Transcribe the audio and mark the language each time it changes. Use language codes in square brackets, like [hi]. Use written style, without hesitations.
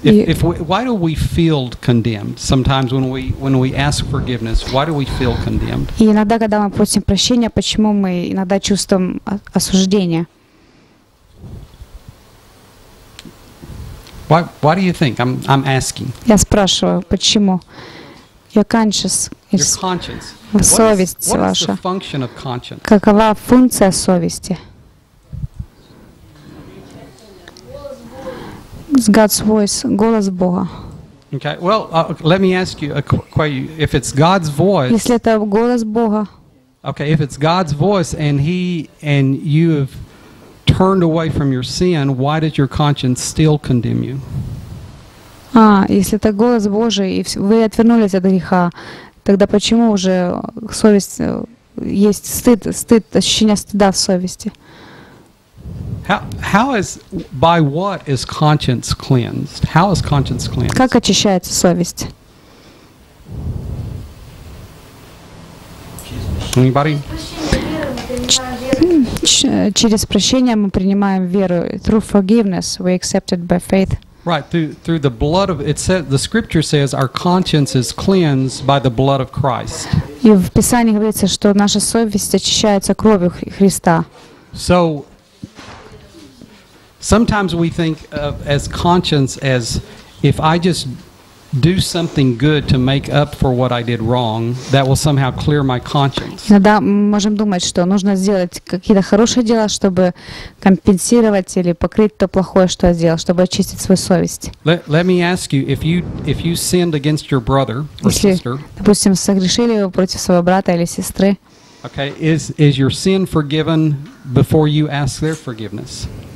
[en] Why do we feel condemned sometimes when we ask forgiveness? Why do we feel condemned? [ru] И иногда, когда мы просим прощения, почему мы иногда чувствуем осуждение? [en] Why do you think? I'm asking. [ru] Я спрашиваю, почему? [en] Your conscience. Your conscience. [ru] Совесть ваша. [en] What is the function of conscience? [ru] Какова функция совести? [en] It's God's voice, [ru] голос Бога. [en] Okay. Well, let me ask you a question. If it's God's voice. [ru] Если это голос Бога. [en] Okay. If it's God's voice and you have turned away from your sin, why does your conscience still condemn you? [ru] А, если это голос Божий, и вы отвернулись от греха, тогда почему уже совесть, есть стыд, стыд, ощущение стыда в совести? [en] How is conscience cleansed? [ru] Как очищается совесть? [en] Anybody? [ru] Через прощение мы принимаем веру. [en] Through forgiveness we accepted by faith. Right, through the blood of it says, the scripture says our conscience is cleansed by the blood of Christ. [ru] И в Писании говорится, что наша совесть очищается кровью Христа. [en] So sometimes we think of as conscience as if I just do something good to make up for what I did wrong, that will somehow clear my conscience. [ru] Иногда можем думать, что нужно сделать какие-то хорошие дела, чтобы компенсировать или покрыть то плохое, что я сделал, чтобы очистить свою совесть. [en] Let me ask you, if you sinned against your brother or sister, [ru] допустим, согрешили вы против своего брата или сестры, [en] okay, is your sin forgiven before you ask their forgiveness?